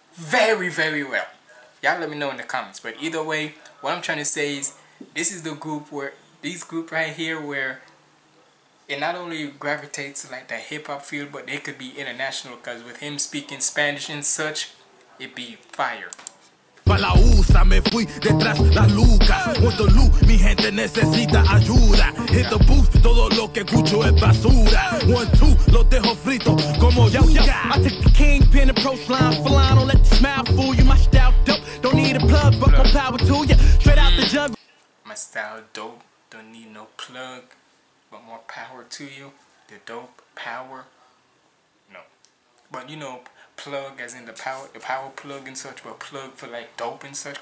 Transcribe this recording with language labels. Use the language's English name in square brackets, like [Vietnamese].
[English] Very, very well. Y'all let me know in the comments. But either way, what I'm trying to say is, this is the group where, this group right here where it not only gravitates like the hip-hop field, but they could be international, because with him speaking Spanish and such, it'd be fire. [Spanish] Pa' la usa, me fui detrás la luca. [English] Want the loot, [Spanish] mi gente necesita ayuda. [English] Hit the booth, [Spanish] todo lo que escucho es basura. 1-2, lo dejo frito como yuca. [English] I took the kingpin approach line, flying, don't let the smile fool you. My style dope, don't need a plug, but more power to ya. Straight out the jungle. My style dope, don't need no plug, but more power to you. The dope, power, no. But you know, plug as in the power plug and such, but plug for like dope and such.